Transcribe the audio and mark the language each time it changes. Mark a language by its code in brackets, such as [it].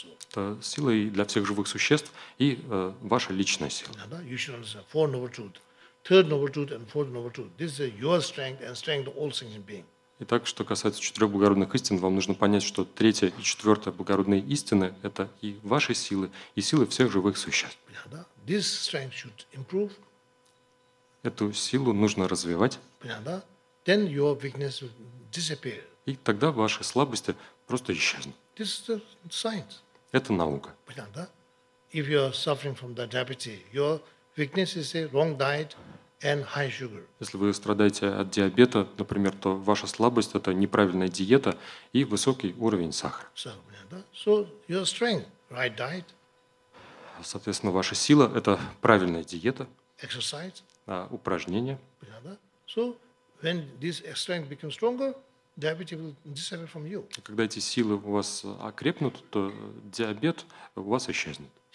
[ru] Это сила и для всех живых существ, и ваша личная сила. [en] You should understand four noble truths. Third noble truth and fourth noble truth. This is your strength and strength of all sentient beings. [ru] Итак, что касается четырех благородных истин, вам нужно понять, что третья и четвертая благородные истины – это и ваши силы, и силы всех живых существ. [en] This strength should improve. [ru] Эту силу нужно развивать. [en] Then your weakness will disappear. [ru] И тогда ваши слабости просто исчезнут. [en] This is the science. [ru] Это наука. [en] If you are suffering from the diabetes, your weakness is a wrong diet and high sugar. [ru] Если вы страдаете от диабета, например, то ваша слабость – это неправильная диета и высокий уровень сахара. [en] So your strength, right diet. [ru] Соответственно, ваша сила – это правильная диета. [en] Exercise. [ru] Упражнения. [en] So when this strength becomes stronger, diabetes will disappear from you. [ru] Когда эти силы у вас окрепнут, то диабет у вас исчезнет.